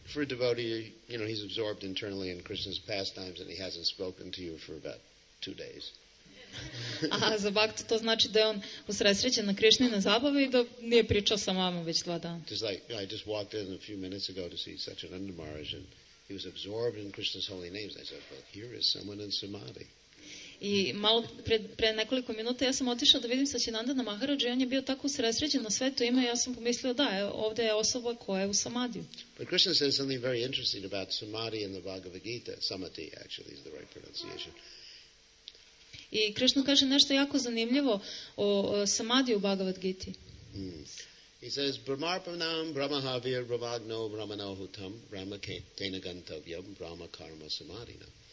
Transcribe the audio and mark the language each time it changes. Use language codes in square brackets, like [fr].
[en] For a devotee, you know, he's absorbed internally in Krishna's pastimes and he hasn't spoken to you for about 2 days. [sr] A za bhakta to znači da je on usredsređen na Krišnine zabave i da nije pričao sa mamom već 2 dana. [en] Just like, you know, I just walked in a few minutes ago to see Satchananda Maharaj and he was absorbed in Krishna's holy names. I said, well, here is someone in samadhi. [sr] I malo pre nekoliko minuta ja sam otišao da vidim Satchinandana Maharaja i on je bio tako usredsređen na sveto ime i ja sam pomislio, da, ovde je osoba koja je u samadhiju. [en] But Krishna says something very interesting about samadhi in the Bhagavad Gita. Samadhi, actually, is the right pronunciation. [sr] I Krishna kaže nešto jako zanimljivo o samadhiju u Bhagavad Giti. [en] He says, [sa] Brahmarpanam Brahmahavir Brahmagno Brahmanohutam Brahmakena Gantavyam Brahma Karma Samadhina.